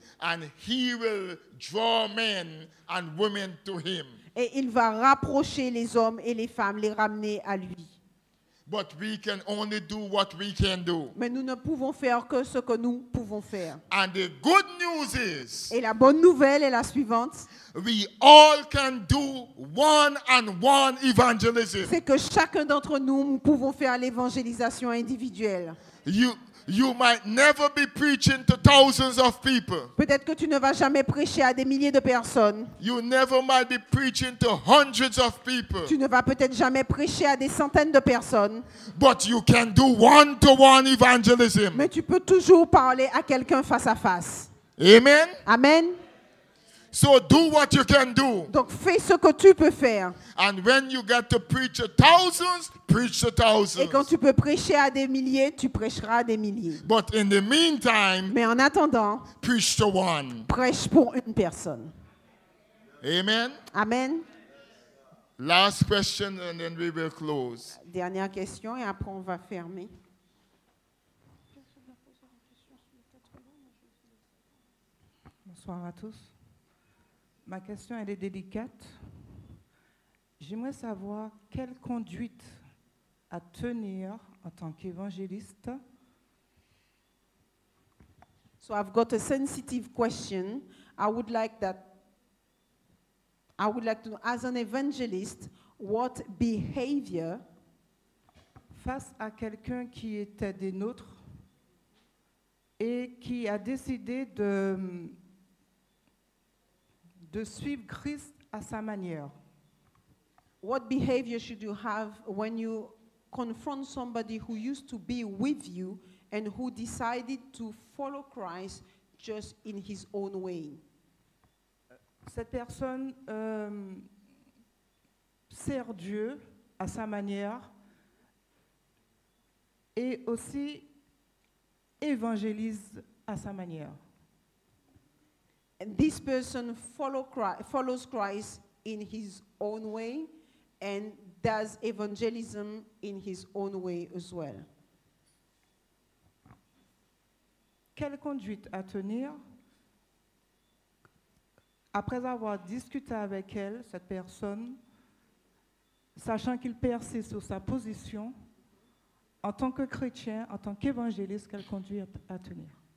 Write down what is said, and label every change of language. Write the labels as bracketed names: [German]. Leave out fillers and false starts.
[English] And he will draw men and women to him. [French] Et il va rapprocher les hommes et les femmes, les ramener à lui. [English] But we can only do what we can do. [French] Mais nous ne pouvons faire que ce que nous pouvons faire. [English] And the good news is, [French] et la bonne nouvelle est la suivante. [English] We all can do one and one evangelism. [French] C'est que chacun d'entre nous, nous pouvons faire l'évangélisation individuelle. [English] You might never be preaching to thousands of people. [French] Peut-être que tu ne vas jamais prêcher à des milliers de personnes. [English] You never might be preaching to hundreds of people. [French] Tu ne vas peut-être jamais prêcher à des centaines de personnes. [English] But you can do one-to-one evangelism. [French] Mais tu peux toujours parler à quelqu'un face à face. [English] Amen. [French] Amen. [English] So do what you can do. [French] Donc fais ce que tu peux faire. [English] And when you get to preach to thousands, preach to thousands. [French] Et quand tu peux prêcher à des milliers, tu prêcheras à des milliers. [English] But in the meantime, [French] mais en attendant, [English] preach to one. [French] Prêche pour une personne. [English] Amen. [French] Amen. [English] Last question and then we will close. [French] Dernière question et après on va fermer. Bonsoir à tous. Ma question, elle est délicate. J'aimerais savoir quelle conduite à tenir en tant qu'évangéliste. [English] So I've got a sensitive question. I would like to, as an evangelist, what behavior [French] face à quelqu'un qui était des nôtres et qui a décidé de suivre Christ à sa manière. [English] What behavior should you have when you confront somebody who used to be with you and who decided to follow Christ just in his own way? [French] Cette personne sert Dieu à sa manière et aussi évangélise à sa manière. [English] This person follows Christ in his own way and does evangelism in his own way as well. [French] Quelle conduite à tenir après avoir discuté avec elle, cette personne, sachant qu'il persiste sur sa position, en tant que chrétien, en tant qu'évangéliste, quelle conduite à tenir?